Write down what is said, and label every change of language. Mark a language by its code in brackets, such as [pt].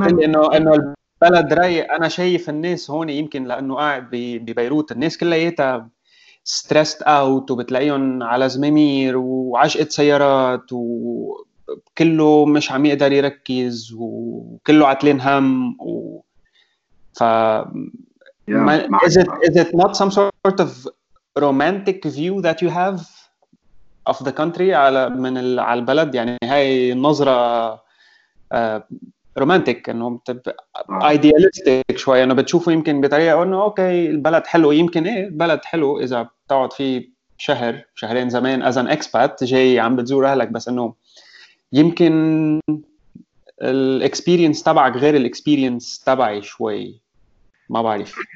[ar] بتقلي أنه بلد رايق، انا شايف الناس هون يمكن لانه قاعد ببيروت الناس كلياتها [en] stressed out [ar] وبتلاقيهم على زمامير وعشقة سيارات وكله مش عم يقدر يركز وكله عتلين هم و... ف ما... [en] is it not some sort of romantic view that you have of the country [ar] على من ال... على البلد؟ يعني هاي النظرة رومانتيك، انه ايديالستيك شوي، انه بتشوفه يمكن بطريقه انه اوكي البلد حلو، يمكن ايه البلد حلو اذا بتقعد فيه شهر شهرين زمان [en] as an expat [ar] جاي عم بتزور اهلك، بس انه يمكن الاكسبيرينس تبعك غير الاكسبيرينس تبعي شوي، ما بعرف.